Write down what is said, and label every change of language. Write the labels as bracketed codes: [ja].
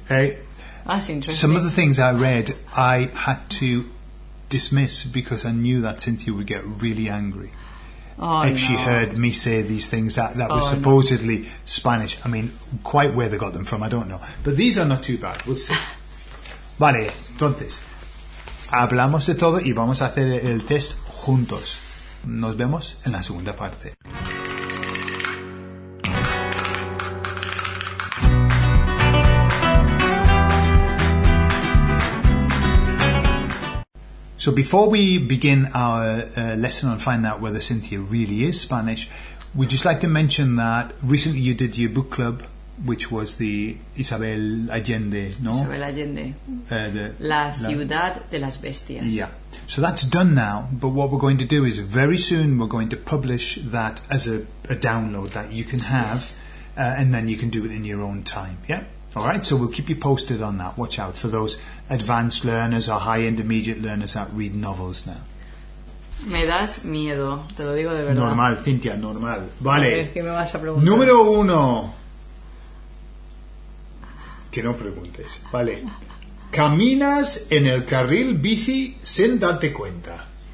[en] That's interesting. Some of the things I read I had to dismiss because I knew that Cynthia would get really angry. She heard me say these things that were supposedly Spanish. I mean, quite where they got them from, I don't know. But these are not too bad. We'll see. [es] Vale, entonces. Hablamos de todo y vamos a hacer el test juntos. Nos vemos en la segunda parte. [en] So before we begin our lesson on finding out whether Cynthia really is Spanish, we'd just like to mention that recently you did your book club, which was the Isabel Allende, no? [es] Isabel Allende. La Ciudad de las Bestias. [en] Yeah. So that's done now, but what we're going to do is very soon we're going to publish that as a download that you can have, and then you can do it in your own time, yeah? All right, so we'll keep you posted on that. Watch out for those advanced learners or high intermediate learners that read novels now. [es] Me das miedo, te lo digo de verdad. Normal, Cynthia, normal. Vale. Es que me vas a preguntar. Número uno. Que no preguntes. Vale. ¿Caminas en el carril bici sin darte cuenta?